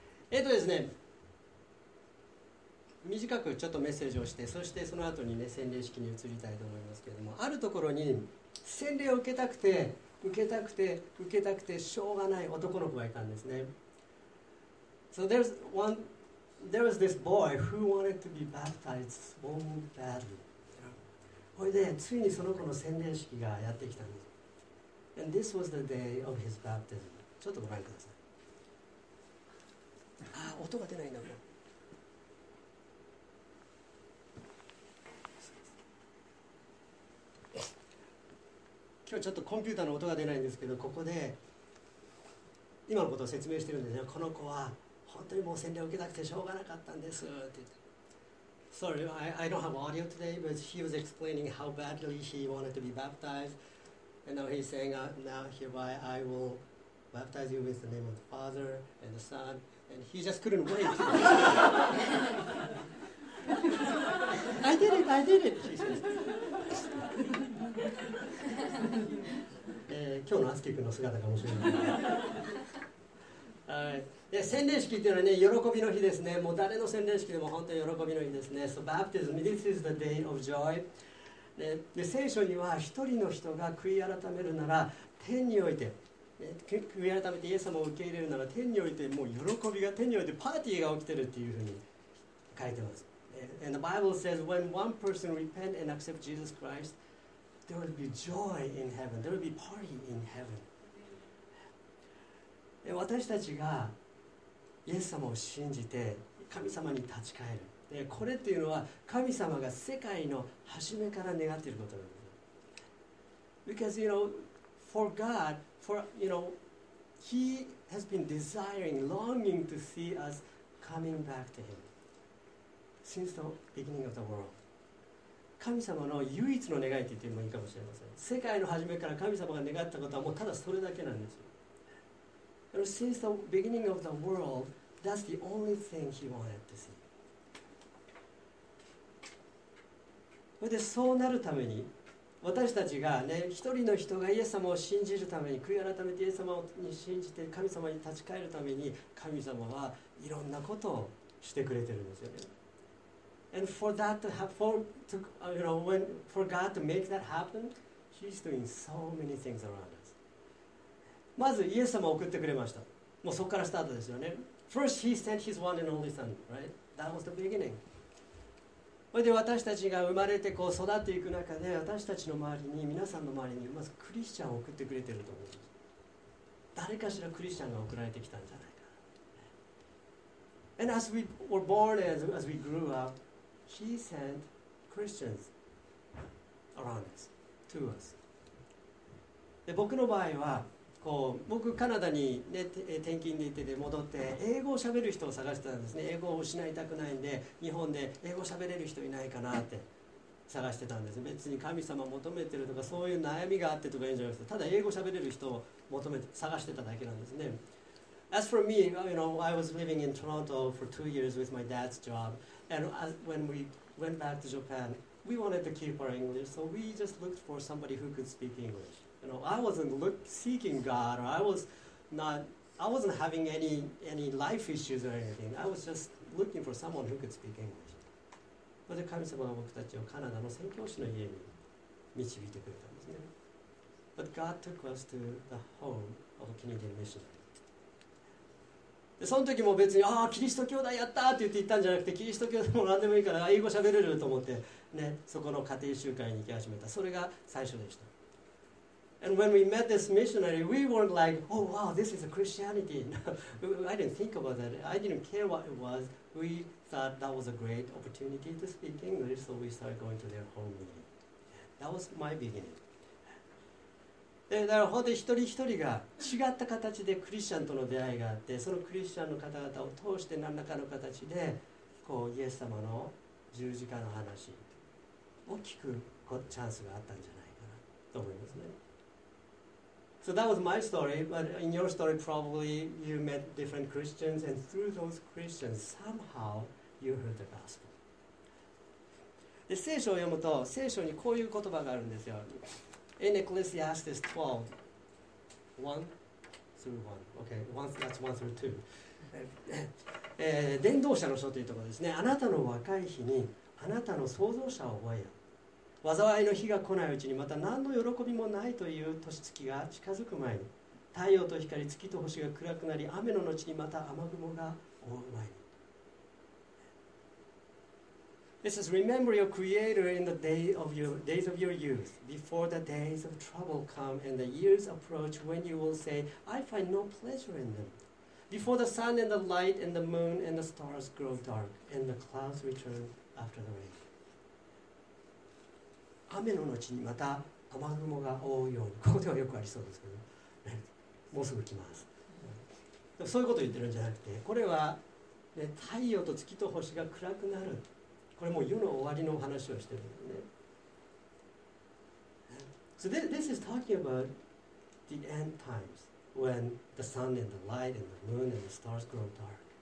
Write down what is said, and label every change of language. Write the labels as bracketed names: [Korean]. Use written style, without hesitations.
[Japanese] ですね、短くちょっとメッセージをして、そしてその後にね、洗礼式に移りたいと思いますけれども、あるところに洗礼を受けたくて受けたくて受けたくてしょうがない男の子がいたんですね。 [English] So there's one, there was this boy who wanted to be baptized so badly. [Japanese] それでついにその子の洗礼式がやってきたんです。 [English] And this was the day of his baptism. [Japanese] ちょっとご覧ください。あ、音が出ないんだもん。今日ちょっとコンピューターの音が出ないんですけど、ここで今のことを説明してるんですよ。この子は本当にもう洗礼を受けたくてしょうがなかったんですって言って。 [English] Sorry, I don't have audio today, but he was explaining how badly he wanted to be baptized. And now he's saying, now hereby I will baptize you with the name of the Father and the Son. And he just couldn't wait. I did it, she says. [Japanese] 今日のアスケ君の姿かもしれない。で、洗礼式っていうのはね、喜びの日ですね。もう誰の洗礼式でも本当に喜びの日ですね。 [English] So baptism, this is the day of joy. [Japanese] で、聖書には一人の人が悔い改めるなら天において、悔い改めてイエス様を受け入れるなら天において、もう喜びが、天においてパーティーが起きてるっていうふうに書いてます。 [English] And the Bible says when one person repent and accept Jesus Christ,There will be joy in heaven. There will be party in heaven. [Japanese] 私たちがイエス様を信じて神様に立ち返る。で、これっていうのは神様が世界の初めから願っていることなんです。 [English] Because, you know, for God, for, you know, He has been desiring, longing to see us coming back to Him since the beginning of the world. [Japanese] 神様の唯一の願いと言ってもいいかもしれません。世界の初めから神様が願ったことはもうただそれだけなんですよ。 [English] Since the beginning of the world, that's the only thing he wanted to see. [Japanese] それで、そうなるために私たちがね、一人の人がイエス様を信じるために、悔い改めてイエス様に信じて神様に立ち返るために、神様はいろんなことをしてくれてるんですよね。 [English] And for that to have, for to, you know, when for God to make that happen, He's doing so many things around us. [Japanese] まずイエス様を送ってくれました。もうそこからスタートですよね。 [English] First, He sent His one and only Son, right? That was the beginning. [Japanese] それで、私たちが生まれてこう育っていく中で、私たちの周りに、皆さんの周りにまずクリスチャンを送ってくれてると思うんです。誰かしらクリスチャンが送られてきたんじゃないか。 [English] And as we were born, as we grew up,He sent Christians around us, to us. [Japanese] で、僕の場合はこう、僕カナダに、ね、転勤で行ってて戻って英語を喋る人を探してたんですね。英語を失いたくないんで、日本で英語喋れる人いないかなって探してたんです。別に神様求めてるとかそういう悩みがあってとかいうんじゃなくて、ただ英語喋れる人を求めて探してただけなんですね。 [English] As for me, you know, I was living in Toronto for 2 years with my dad's job. And as when we went back to Japan, we wanted to keep our English, so we just looked for somebody who could speak English. You know, I wasn't seeking God, or I wasn't having any life issues or anything. I was just looking for someone who could speak English. But the [Japanese] 神様は僕たちをカナダの宣教師の家に導いてくれたんですね。 [English] But God took us to the home of a Canadian missionary. [Japanese] その時も別に、ああ、キリスト教だ、やったって言って行ったんじゃなくて、キリスト教でも何でもいいから英語喋れると思って、ね、そこの家庭集会に行き始めた。それが最初でした。 [English] And when we met this missionary, we weren't like, oh wow, this is a Christianity. I didn't think about that. I didn't care what it was. We thought that was a great opportunity to speak English, so we started going to their home meeting. That was my beginning. [Japanese] だから本当に一人一人が違った形でクリスチャンとの出会いがあって、そのクリスチャンの方々を通して何らかの形でこうイエス様の十字架の話を聞くチャンスがあったんじゃないかなと思いますね。 [English] So that was my story, but in your story probably you met different Christians and through those Christians somehow you heard the gospel. [Japanese] で、聖書を読むと聖書にこういう言葉があるんですよ。 [English] In Ecclesiastes 12, 1 through 1. Okay, that's 1 through 2. [Japanese] 伝道者の書というところですね。あなたの若い日にあなたの創造者を覚えよ。災いの日が来ないうちに、また何の喜びもないという年月が近づく前に、太陽と光、月と星が暗くなり、雨の後にまた雨雲が覆う前に。 [English] This is remember your creator in the day of your, days of your youth, before the days of trouble come and the years approach when you will say, I find no pleasure in them. Before the sun and the light and the moon and the stars grow dark and the clouds return after the rain. [Japanese] 雨の後にまた雨雲が覆うように。ここではよくありそうですけど、ね、もうすぐ来ます。そういうことを言ってるんじゃなくて、これは、ね、太陽と月と星が暗くなる。これも世の終わりの話をしてるんですね。 [English] So this is talking about the end times when the sun and the light and the moon and the stars grow dark.